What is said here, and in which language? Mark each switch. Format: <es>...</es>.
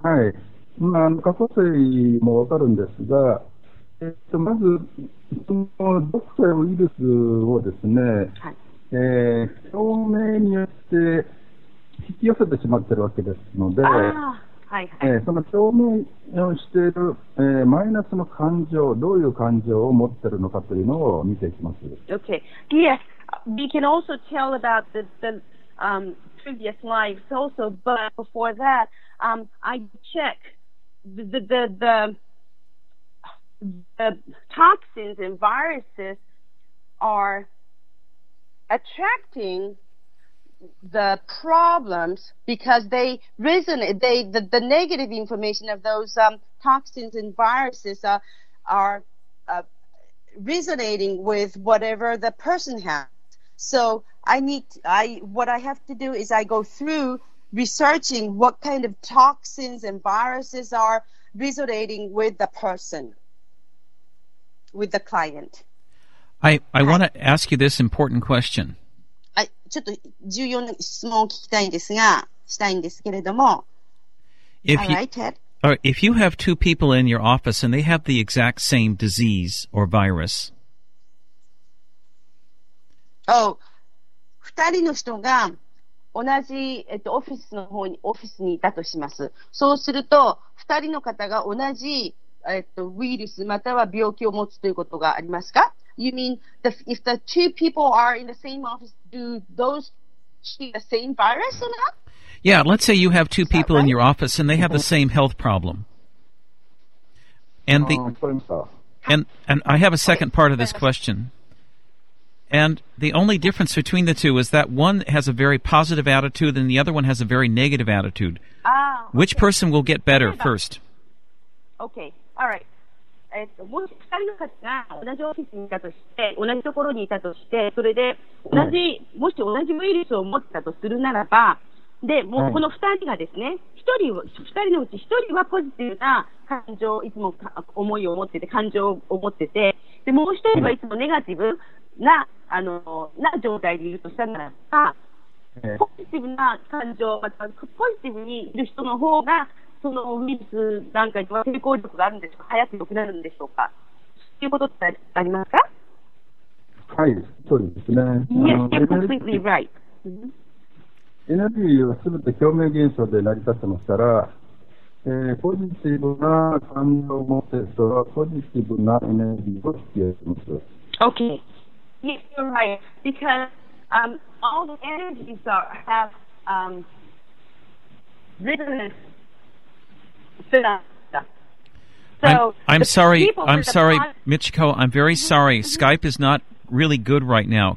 <ja>はい、まあ、過去性もわかるんですが、まずその毒素やウイルスをですね、はい、表明によって引き寄せてしまっているわけですので、あ、はいはい、その表明をしている、マイナスの感情、どういう感情を持っているのかというのを見ていきます。</ja> <en>Okay. Yes, we can also tell about the previous lives also, but before thatI check the toxins and viruses are attracting the problems because they resonate. The negative information of those toxins and viruses are resonating with whatever the person has. So what I have to do is I go through. Researching what kind of toxins and viruses are resonating with the person, with the client. I want to ask you this important question.</en> <ja>ちょっと重要な質問を聞きたいんですが、したいんですけれども。</ja> <en>If you have two people in your office and they have the exact same disease or virus.</en> <ja>Oh, 二人の人が同じ、オフィスの方に、オフィスにいたとします。そうすると、二人の方が同じ、ウイルスまたは病気を持つということがありますか？</ja> <en>You mean, if the two people are in the same office, do those see the same virus or not? Yeah, let's say you have two people in your office and they have the same health problem. And I have a second part of this question. And the only difference between the two is that one has a very positive attitude and the other one has a very negative attitude. Okay. Which person will get better first? Okay, all right.</en> <ja>もし2人の方が同じオフィスにいたとして、同じところにいたとして、それで同じ、もし同じウイルスを持ったとするならば、で、もうこの2人がですね、2人のうち1人はポジティブな感情、いつも思いを持ってて、感情を持ってて、で、もう1人はいつもネガティブ、な状態でいるとしたならば、ポジティブな感情、またポジティブにいる人の方が、そのウイルスなんかには抵抗力があるんでしょうか、早く良くなるんでしょうか、ということってありますか？はい、そうですね。</ja> <en>Yes, you're completely right.</en> <ja>エネルギーは全て共鳴現象で成り立ってますから、ポジティブな感情を持っている人は、ポジティブなエネルギーを引き寄せます。</ja> <en>Okay. Yes, you're right, because all the energies have resonance phenomena. I'm sorry, Michiko, I'm very sorry. Skype is not really good right now.</en>